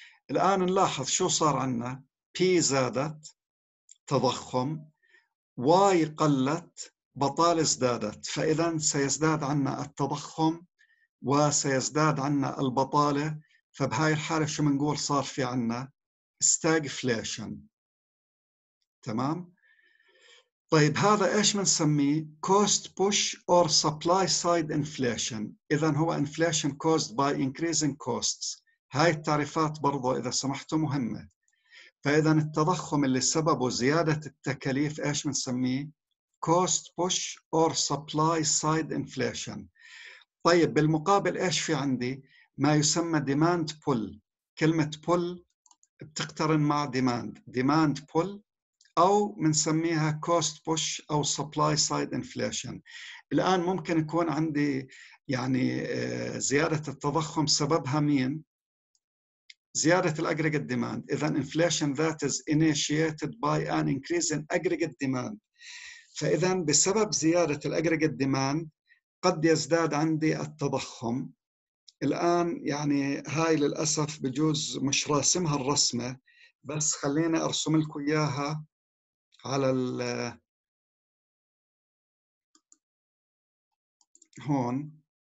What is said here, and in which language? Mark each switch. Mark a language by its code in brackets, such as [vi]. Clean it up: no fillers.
[ar] الآن نلاحظ شو صار عنا، P زادت تضخم، Y قلت بطالة ازدادت، فإذا سيزداد عنا التضخم وسيزداد عنا البطالة، فبهاي الحالة شو منقول صار في عنا stagflation. تمام؟ طيب هذا ايش بنسميه؟ [en] cost push or supply side inflation. [ar] اذا هو [en] inflation caused by increasing costs. [ar] هاي التعريفات برضو اذا سمحتوا مهمة. فاذا التضخم اللي سببه زيادة التكاليف ايش بنسميه؟ [en] cost push or supply side inflation. [ar] طيب بالمقابل ايش في عندي؟ ما يسمى demand pull. كلمة pull بتقترن مع demand. [en] demand pull [ar] أو منسميها [en] cost push أو supply side inflation. [ar] الآن ممكن يكون عندي يعني زيادة التضخم سببها مين؟ زيادة الـ aggregate demand. [en] إذا inflation that is initiated by an increase in aggregate demand. [ar] فإذا بسبب زيادة الـ aggregate demand قد يزداد عندي التضخم. الآن يعني هاي للأسف بجوز مش راسمها الرسمة، بس خليني أرسم لكم إياها على هون.